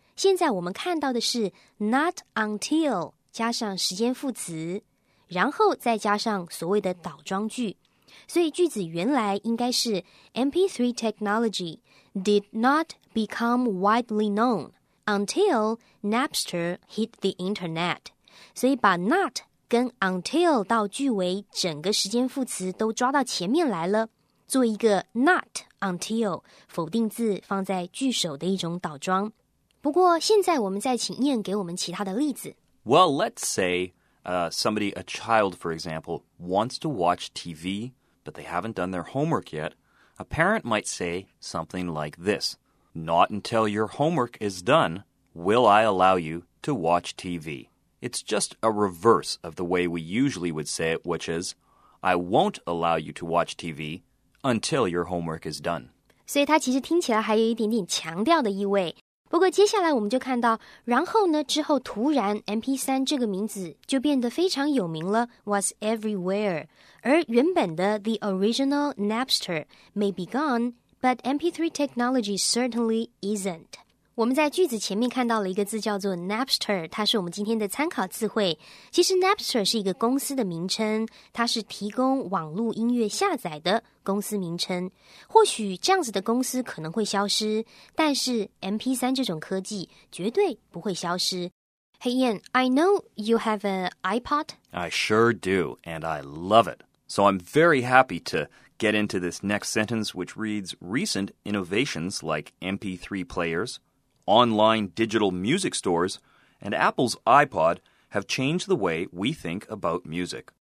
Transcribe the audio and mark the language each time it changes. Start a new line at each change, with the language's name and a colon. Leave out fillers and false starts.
Chinese: 现在我们看到的是
English: not until
Chinese: 加上时间副词，然后再加上所谓的倒装句，所以句子原来应该是
English: MP3 technology did not become widely known until Napster hit the internet.
Chinese: 所以把 not 跟 until 到句尾整个时间副词都抓到前面来了，做一个 not until 否定字放在句首的一种倒装。不过现在我们再请Ian给我们其他的例子。
English: Well, let's say somebody, a child for example, wants to watch TV, but they haven't done their homework yet. A parent might say something like this. Not until your homework is done will I allow you to watch TV. It's just a reverse of the way we usually would say it, which is, I won't allow you to watch TV until your homework is done.
Chinese: 所以它其实听起来还有一点点强调的意味。不过接下来我们就看到，然后呢，之后突然 MP3 这个名字就变得非常有名了 ,
English: was everywhere.
Chinese: 而原本的
English: the original Napster may be gone,But MP3 technology certainly isn't.
Chinese: 我们在句子前面看到了一个字叫做 Napster, 它是我们今天的参考词汇。其实 Napster 是一个公司的名称，它是提供网络音乐下载的公司名称。或许这样子的公司可能会消失，但是 MP3 这种科技绝对不会消失。
English: Hey Ian, I know you have an iPod. I sure do, and I love it. So I'm very happy to... Get into this next sentence, which reads, recent innovations like MP3 players, online digital music stores, and Apple's iPod have changed the way we think about music.